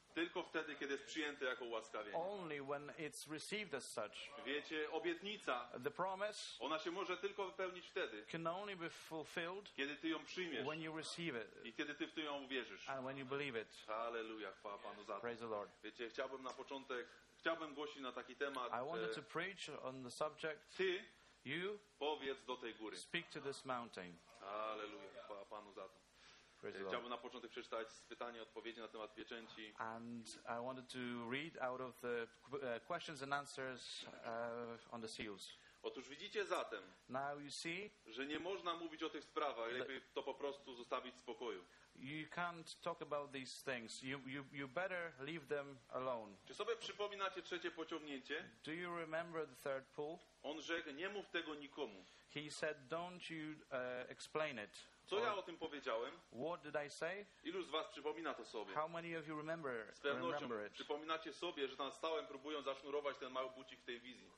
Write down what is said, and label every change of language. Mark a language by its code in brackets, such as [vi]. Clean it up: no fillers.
[pl] Tylko wtedy, kiedy jest przyjęte jako ułaskawienie. [en] Only when it's received as such. [pl] Wiecie, obietnica. [en] The promise. [pl] Ona się może tylko wypełnić wtedy. [en] Can only be fulfilled. [pl] Kiedy ty ją przyjmiesz. [en] When you receive it. [pl] I kiedy ty w to ją uwierzysz. [en] And when you believe it. [pl] Halleluja, chwała Panu za to. [en] Praise the Lord. [pl] Wiecie, chciałbym na początek, chciałbym głosić na taki temat. [en] I wanted to preach on the subject. [pl] Ty. [en] You. [pl] Powiedz do tej góry. [en] Speak to this mountain. [pl] Halleluja, chwała Panu za to. Chciałbym na początek przeczytać pytanie i odpowiedzi na temat pieczęci. [en] And I wanted to read out of the questions and answers on the seals. [pl] Otóż widzicie zatem, [en] now you see, [pl] że nie można mówić o tych sprawach, lepiej to po prostu zostawić w spokoju. [en] You can't talk about these things. You better leave them alone. [pl] Czy sobie przypominacie trzecie pociągnięcie? [en] Do you remember the third pull? [pl] On rzekł, nie mów tego nikomu. [en] He said, don't you explain it. [pl] Co ja o tym powiedziałem? [en] What did I say? [pl] Ilu z was przypomina to sobie? [en] How many of you remember, [pl] z pewnością przypominacie sobie, że tam stałem, próbując zasznurować ten mały bucik w tej wizji.